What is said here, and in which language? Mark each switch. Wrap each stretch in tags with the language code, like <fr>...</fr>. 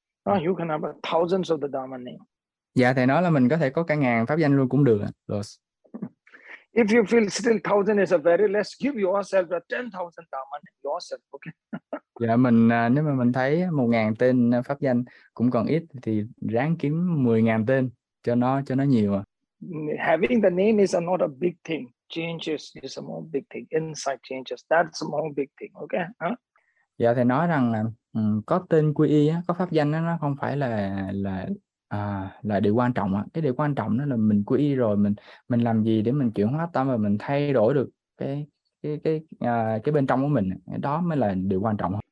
<en>Oh, you can have thousands of the Dharma name.</en> <vi>Dạ, thầy nói là mình có thể có cả ngàn pháp danh luôn cũng được ạ. À.</vi> <en>If you feel still thousand is a very less, give yourself a 10,000 Dharma name yourself, okay?</en> <vi>Dạ, mình nếu mà mình thấy 1.000 tên pháp danh cũng còn ít thì ráng kiếm 10.000 tên cho nó nhiều à.</vi> <en>Having the name is not a big thing. Changes is a more big thing. Inside changes, that's a more big thing. Okay, huh?</en> <vi>Dạ, thầy nói rằng là có tên quy y á, có pháp danh á, nó không phải là điều quan trọng á. Cái điều quan trọng đó là mình quy y rồi mình làm gì để mình chuyển hóa tâm và mình thay đổi được cái bên trong của mình, đó mới là điều quan trọng.</vi>